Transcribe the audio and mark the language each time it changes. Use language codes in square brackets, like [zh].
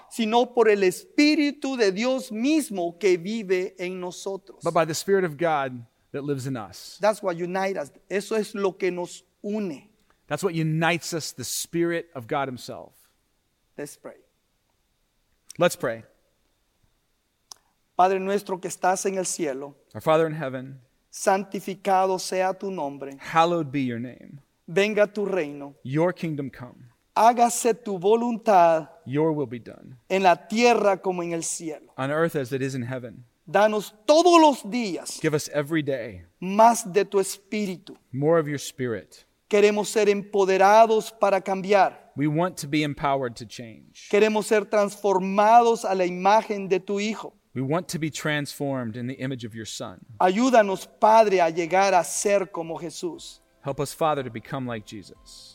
[es] Sino por el Espíritu de Dios mismo que vive en nosotros. [en] But by the Spirit of God that lives in us. That's what unites us. [es] Eso es lo que nos une. [en] That's what unites us, the Spirit of God himself. Let's pray. Let's pray. [es] Padre nuestro que estás en el cielo. [en] Our Father in heaven. [es] Santificado sea tu nombre. [en] Hallowed be your name. [es] Venga tu reino. [en] Your kingdom come. [es] Hágase tu voluntad. [en] Your will be done. [es] En la tierra como en el cielo. [en] On earth as it is in heaven. [es] Danos todos los días. [en] Give us every day. [es] Más de tu espíritu. [en] More of your spirit. [es] Queremos ser empoderados para cambiar. [en] We want to be empowered to change. [es] Queremos ser transformados a la imagen de tu hijo. [en] We want to be transformed in the image of your son. [es] Ayúdanos, Padre, a llegar a ser como Jesús. [en] Help us, Father, to become like Jesus.